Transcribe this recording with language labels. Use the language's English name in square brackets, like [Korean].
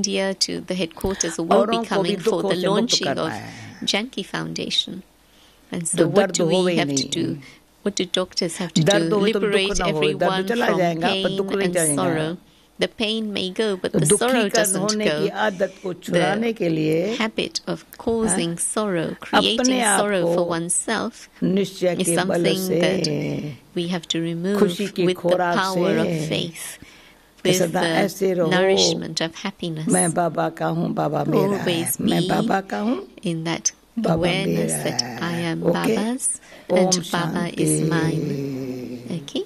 [Hindi] औरों को भी दुख हो से मुक्त करना है. [English] Janki Foundation. And so what do we have to do? What do doctors have to do? Liberate everyone from pain and sorrow. The pain may go, but the sorrow doesn't go. The habit of causing sorrow, creating sorrow for oneself, is something that we have to remove with the power of faith. With the nourishment of happiness. [Hindi] मैं बाबा का हूँ, बाबा मेरा है. मैं बाबा का हूँ. [English] In that awareness that I am Baba's and Baba is mine.